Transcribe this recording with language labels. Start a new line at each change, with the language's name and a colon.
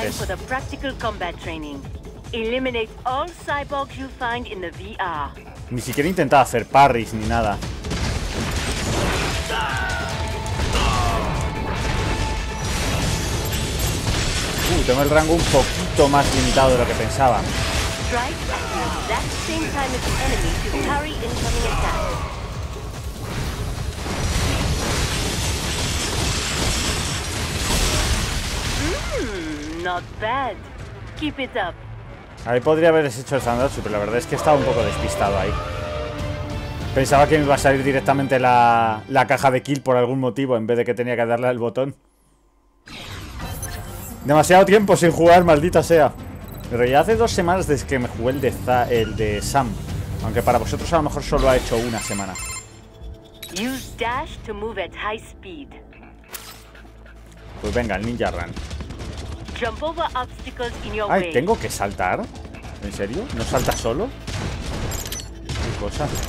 English: Time for the practical combat training. Eliminate all cyborgs you find in the VR.
Spanish: Ni siquiera intentaba hacer parries ni nada. Tengo el rango un poquito más limitado de lo que pensaba.
English: Strike at the exact same time as the enemy to parry incoming attack. Not bad. Keep it up.
Spanish: Ahí podría haber hecho el Thunderbolt, pero la verdad es que estaba un poco despistado ahí. Pensaba que me iba a salir directamente la caja de kill por algún motivo, en vez de que tenía que darle al botón. Demasiado tiempo sin jugar, maldita sea. Pero ya hace 2 semanas desde que me jugué el de Sam. Aunque para vosotros a lo mejor solo ha hecho 1 semana.
English: Use dash to move at high speed.
Spanish: Pues venga, el ninja run.
English: Jump over obstacles in your way.
Spanish: Ay, ¿tengo que saltar? ¿En serio? ¿No salta solo? Qué cosa.